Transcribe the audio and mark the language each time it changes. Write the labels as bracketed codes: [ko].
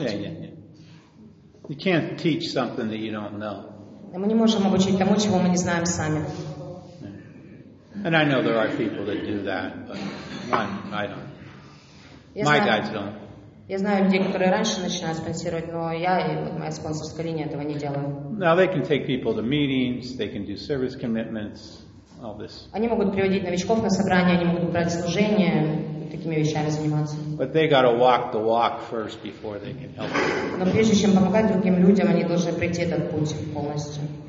[en] Yeah. You can't teach something that you don't know. [ru] Мы не можем обучить тому, чего мы не знаем сами. [en] And I know there are people that do that, but I don't. My guides don't. [ru] Я знаю людей, которые раньше начинают спонсировать, но я и моя спонсорская линия этого не делаю. [en] Now they can take people to meetings, they can do service commitments, all this. [ru] Они могут приводить новичков на собрания, они могут брать служение, такими вещами заниматься. [en] But they got to walk the walk first before they can help. [ru] Но прежде чем помогать другим людям, они должны пройти этот путь полностью.